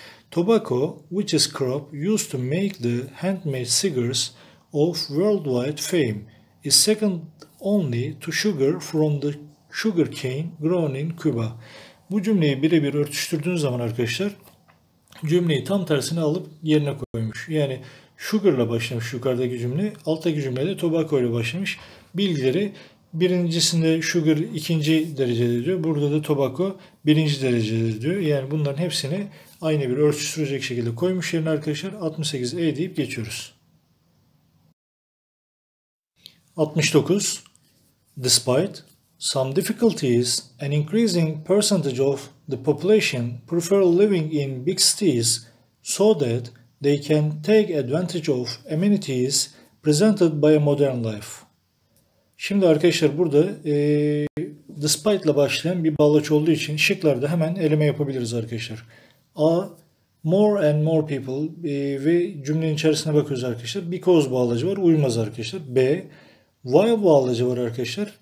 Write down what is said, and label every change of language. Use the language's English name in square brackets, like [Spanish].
[English] Tobacco, which is crop, used to make the handmade cigars of worldwide fame, is second only to sugar from the sugar cane grown in Cuba. [Turkish] Bu cümleyi birebir örtüştürdüğünüz zaman arkadaşlar, cümleyi tam tersine alıp yerine koymuş. Yani sugar'la başlamış yukarıdaki cümle, alttaki cümlede tobacco ile başlamış. Bilgileri birincisinde sugar ikinci derecede diyor, burada da tobacco birinci derecede diyor. Yani bunların hepsini aynı bir örtüştürecek şekilde koymuş yerine arkadaşlar. 68E deyip geçiyoruz. 69. [English] Despite some difficulties, an increasing percentage of the population prefer living in big cities so that they can take advantage of amenities presented by a modern life. [Turkish] Şimdi arkadaşlar burada despite ile başlayan bir bağlaç olduğu için şıklarda hemen eleme yapabiliriz arkadaşlar. A. [English] More and more people [Turkish] ve cümlenin içerisine bakıyoruz arkadaşlar. Because bağlacı var, uymaz arkadaşlar. B. While bağlacı var arkadaşlar.